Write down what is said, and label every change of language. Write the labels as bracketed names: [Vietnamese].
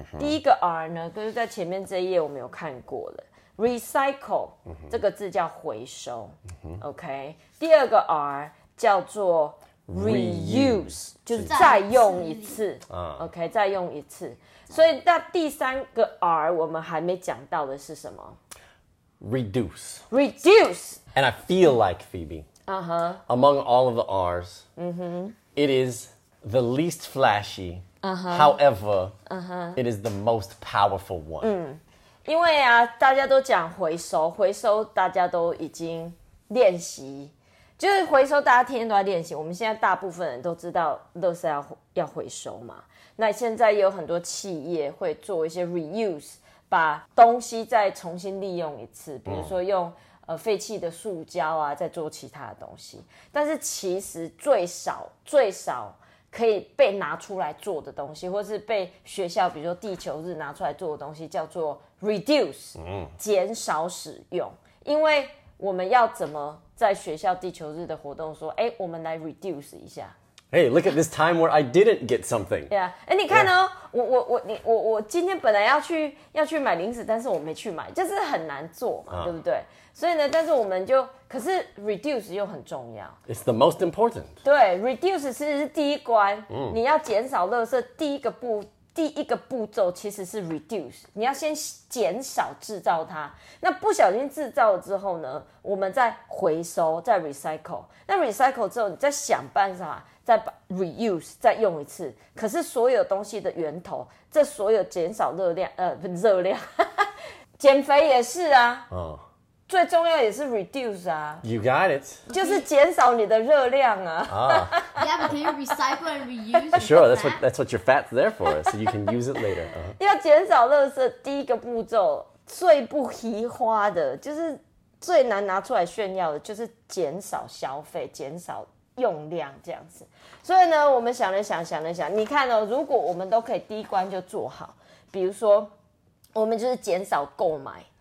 [Chinese] 第一个 R 呢，就是在前面这一页我们有看过了 ，recycle、这个字叫回收。 OK， 第二个 R 叫做 reuse， 就是再用一次。 OK， 再用一次。所以那第三个 R 我们还没讲到的是什么？ [English] Reduce. And I feel like, Phoebe, among all of the R's, it is the least flashy. However, it is the most powerful one. [Chinese] 因为啊，大家都讲回收，回收大家都已经练习，就是回收，大家天天都在练习。我们现在大部分人都知道垃圾要回收嘛，那现在也有很多企业会做一些 reuse， 把东西再重新利用一次，比如说用废弃的塑胶啊再做其他的东西。但是其实最少最少可以被拿出来做的东西，或是被学校比如说地球日拿出来做的东西，叫做 reduce， 减少使用。因为我们要怎么在学校地球日的活动说，哎，我们来 reduce 一下。 [English] Hey, look at this time where I didn't get something. [Chinese] Yeah. 哎，你看哦， yeah. 我今天本来要去买零食，但是我没去买，就是很难做嘛， uh. 对不对？所以呢，但是我们就，可是 reduce 又很重要。 [English] It's the most important. [Chinese] 对 ，reduce 其实是第一关， mm. 你要减少垃圾，第一个步骤其实是 reduce， 你要先减少制造它。那不小心制造了之后呢，我们再回收，再 recycle。那 recycle 之后，你再想办法再把 reuse 再用一次。可是所有东西的源头，这所有减少热量，热量，减肥也是啊。最重要也是 reduce 啊。 [English] You got it。 [Chinese] 就是减少你的热量啊。 [English] Yeah, but can you recycle and reuse? Sure, that's what your fat's there for, so you can use it later.、 Uh-huh. [Chinese] 要减少垃圾，第一个步骤最不稀花的，就是最难拿出来炫耀的，就是减少消费，减少用量这样子。所以呢，我们想了想，想了想，你看哦，如果我们都可以第一关就做好，比如说我们就是减少购买。